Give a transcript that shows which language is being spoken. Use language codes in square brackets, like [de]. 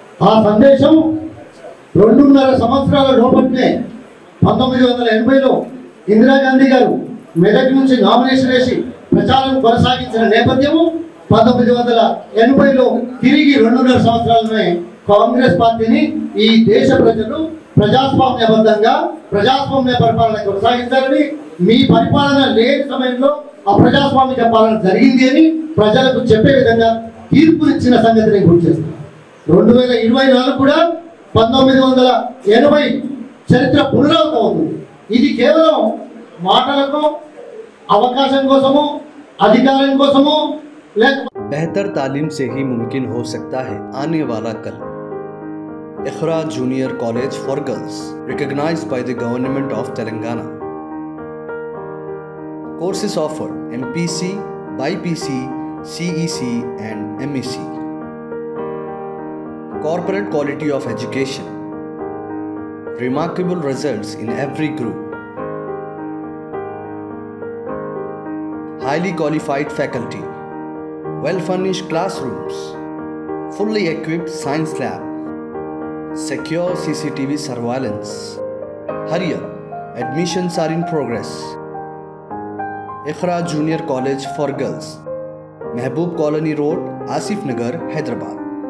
[te] ఆ సందేశం 2.5 సంవత్సరాల లోపలే 1980లో ఇందిరాగాంధీ గారు మెదక్ నుంచి నామినేషన్ వేసి ప్రచారం కొనసాగించిన నేపథ్యము 1980లో తిరిగి 2.5 సంవత్సరాలనే కాంగ్రెస్ పార్టీని ఈ దేశ ప్రజలు ప్రజాస్వామ్య బద్ధంగా ప్రజాస్వామ్య పరిపాలన కొనసాగించాలని మీ పరిపాలన లేని సమయంలో అప్రజాస్వామిక పాలన జరిగింది అని ప్రజలకు చెప్పే విధంగా తీర్పు ఇచ్చిన సంగతిని గుర్తుచేస్తున్నాను। 2024 కూడా 1980 చరిత్ర పునరావృతం అవుతుంది। ఇది కేవలం మాటలకు అవకాశం కోసము అధికారం కోసము [hi] बेहतर तालीम से ही मुमकिन हो सकता है आने वाला कल। [en] Iqra junior college for girls recognised by the government of Telangana. Courses offer MPC, BiPC, CEC and MEC. Corporate quality of education, remarkable results in every group, highly qualified faculty, well-furnished classrooms, fully equipped science lab, secure CCTV surveillance. Hurry up, admissions are in progress. Iqra Junior College for Girls, Mehboob Colony Road, Asif Nagar, Hyderabad.